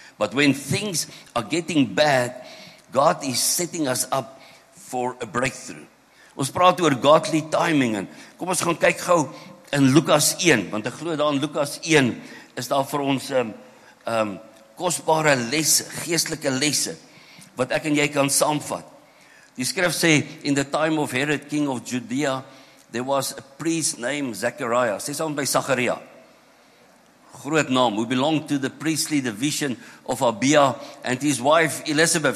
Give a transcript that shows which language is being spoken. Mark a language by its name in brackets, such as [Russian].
[English] But when things are getting bad, God is setting us up for a breakthrough. [Afrikaans] Ons praat oor [English] godly timing [Afrikaans] en kom ons gaan kyk gou in Lukas 1, want ek glo daar in Lukas 1 is daar vir ons kostbare lesse, geestelike lesse, wat ek en jy kan saamvat. Die skrif sê, [English] in the time of Herod, king of Judea, there was a priest named Zechariah. [Afrikaans] Sê saam by Zachariah. Groot naam, [English] who belonged to the priestly division of Abia and his wife Elizabeth.